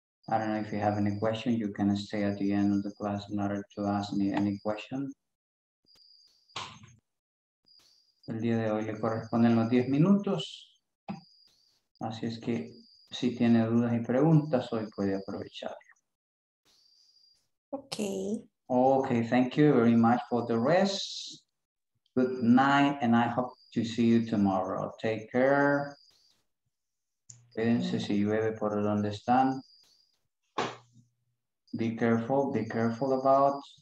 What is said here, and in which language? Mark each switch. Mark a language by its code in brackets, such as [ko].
[en] I don't know if you have any question. You can stay at the end of the class in order to ask me any question. [es] El día de hoy le corresponden los 10 minutos. Así es que si tiene dudas y preguntas, hoy puede aprovecharlo. Ok. [en] Ok, thank you very much for the rest. Good night and I hope to see you tomorrow. Take care. [es] Quédense si llueve por donde están. [en] Be careful about.